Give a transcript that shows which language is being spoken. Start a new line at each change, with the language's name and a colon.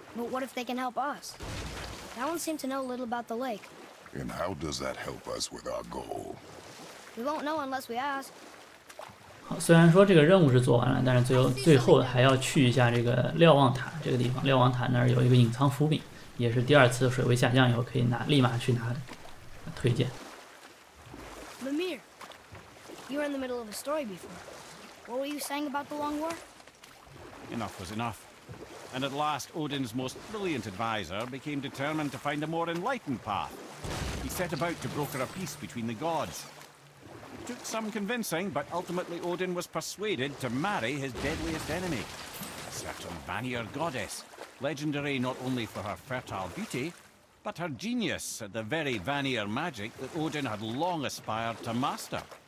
English: But what if they can help us? That one seemed to know a little about the lake. And how does that help us with our goal? We won't know unless we ask.
Chinese: 好，虽然说这个任务是做完了，但是最后还要去一下这个瞭望塔这个地方。瞭望塔那儿有一个隐藏伏笔，也是第二次水位下降以后可以拿，立马去拿的，推荐。
English: Lemire, you were in the middle of a story before. What were you saying about the Long War? Enough was enough. And at last, Odin's most brilliant advisor became determined to find a more enlightened path. He set about to broker a peace between the gods. It took some convincing, but ultimately Odin was persuaded to marry his deadliest enemy, a certain Vanir goddess, legendary not only for her fertile beauty,but her genius at the very Vanir magic that Odin had long aspired to master.